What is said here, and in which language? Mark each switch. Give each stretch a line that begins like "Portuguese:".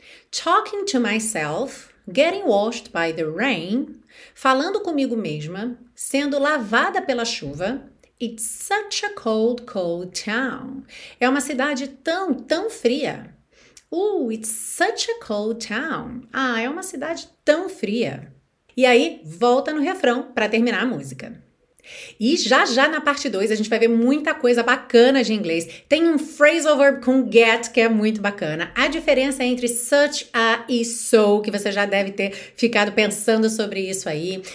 English: Talking to myself, getting washed by the rain.
Portuguese: Falando comigo mesma, sendo lavada pela chuva.
English: It's such a cold, cold town.
Portuguese: É uma cidade tão, tão fria.
English: It's such a cold town.
Portuguese: Ah, é uma cidade tão fria. E aí, volta no refrão para terminar a música. E já na parte 2 a gente vai ver muita coisa bacana de inglês. Tem um phrasal verb com get que é muito bacana. A diferença entre such a e so, que você já deve ter ficado pensando sobre isso aí.